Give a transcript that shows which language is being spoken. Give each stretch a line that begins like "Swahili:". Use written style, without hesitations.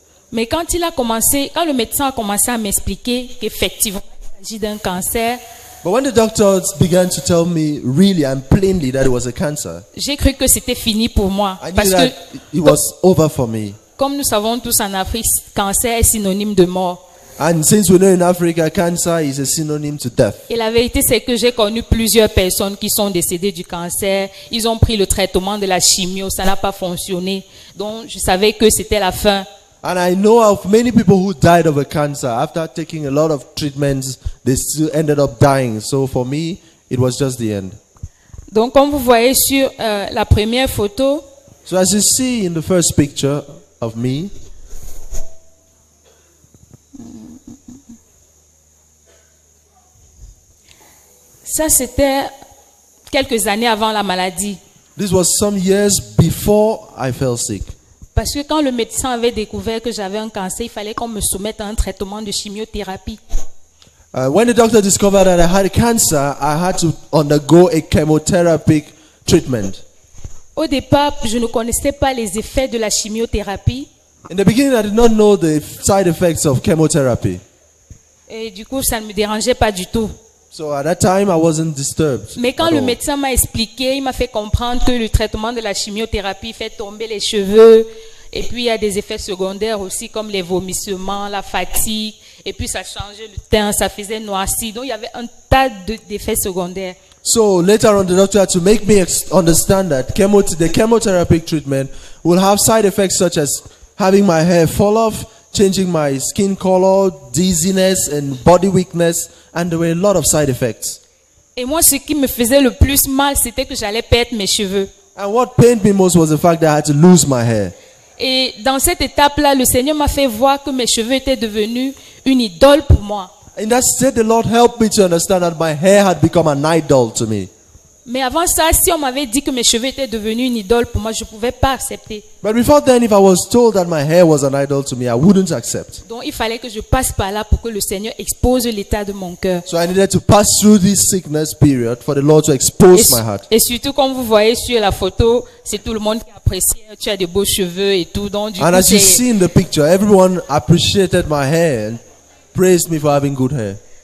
French: Mais quand le médecin a commencé à m'expliquer qu'effectivement il s'agit d'un cancer,
English: But when the doctors began to tell me really and plainly that it was a cancer,
French: j'ai cru que c'était fini pour moi, parce que
English: it was over for me.
French: Comme nous savons tous en Afrique, cancer est synonyme de mort.
English: And since we know in Africa, cancer is a synonym to death.
French: Et la vérité, c'est que j'ai connu plusieurs personnes qui sont décédées du cancer. Ils ont pris le traitement de la chimio, ça n'a pas fonctionné. Donc, je savais que c'était la fin.
English: And I know of many people who died of a cancer. After taking a lot of treatments, they still ended up dying. So for me, it was just the end.
French: Donc, comme vous voyez sur la première photo.
English: So as you see in the first picture of me.
French: Ça, c'était quelques années avant la maladie.
English: This was some years before I fell sick.
French: Parce que quand le médecin avait découvert que j'avais un cancer, il fallait qu'on me soumette à un traitement de chimiothérapie.
English: When the doctor discovered that I had cancer, I had to undergo a chemotherapeutic treatment.
French: Au départ, je ne connaissais pas les effets de la chimiothérapie.
English: In the beginning, I did not know the side effects of chemotherapy.
French: Et du coup, ça ne me dérangeait pas du tout.
English: So at that time, I wasn't disturbed.
French: Mais quand le médecin m'a expliqué, il m'a fait comprendre que le traitement de la chimiothérapie fait tomber les cheveux, et puis il y a des effets secondaires aussi comme les vomissements, la fatigue, et puis ça changeait le teint, ça faisait noircir. Donc il y avait un tas d'effets secondaires.
English: So later on, the doctor had to make me understand that the chemotherapy treatment will have side effects such as having my hair fall off, changing my skin color, dizziness and body weakness, and there were a lot of side effects.
French: Et moi, ce qui me faisait le plus mal, c'était que j'allais perdre mes cheveux.
English: And what pained me most was the fact that I had to lose my hair.
French: Et dans cette étape-là, le Seigneur m'a fait voir que mes cheveux étaient devenus une idole pour moi.
English: In that state, the Lord helped me to understand that my hair had become an idol to me.
French: Mais avant ça, si on m'avait dit que mes cheveux étaient devenus une idole pour moi, je ne pouvais pas accepter.
English: But before then, if I was told that my hair was an idol to me, I wouldn't accept.
French: Donc il fallait que je passe par là pour que le Seigneur expose l'état de mon cœur.
English: So I needed to pass through this sickness period for the Lord to expose my heart.
French: Et surtout, comme vous voyez sur la photo, c'est tout le monde qui appréciait. Tu as de beaux cheveux et tout. Donc,
English: and as you see in the picture, everyone appreciated my hair and praised me for having good hair.